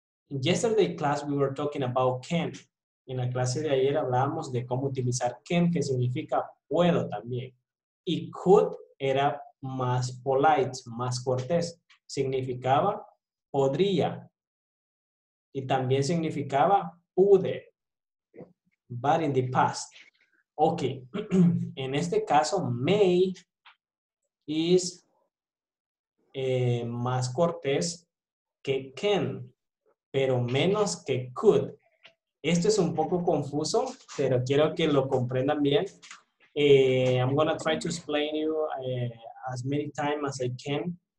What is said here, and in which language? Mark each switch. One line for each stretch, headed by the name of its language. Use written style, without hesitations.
English: In yesterday class, we were talking about can.
Spanish: En la clase de ayer hablábamos de cómo utilizar can, que significa puedo también. Y could era más polite, más cortés. Significaba podría. Y también significaba pude.
English: But in the past. Okay.
Spanish: En este caso, may is más cortés que can, pero menos que could. Esto es un poco confuso, pero quiero que lo comprendan bien.
English: I'm going to try to explain you as many times as I can.